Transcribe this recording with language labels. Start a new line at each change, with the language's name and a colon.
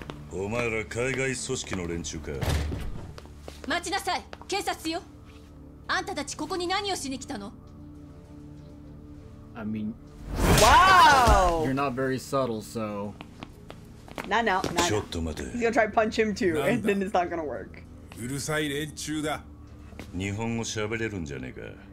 Japanese: お前ら海外組織の連中か。待ちなさい、警察よ。あんたたちここに何をしに来たの。
English: I mean, wow. You're not very subtle, so. No. He's gonna try to punch him too, and then it's not gonna work.
Japanese: うるさい連中だ。日本語喋れるんじゃねえか。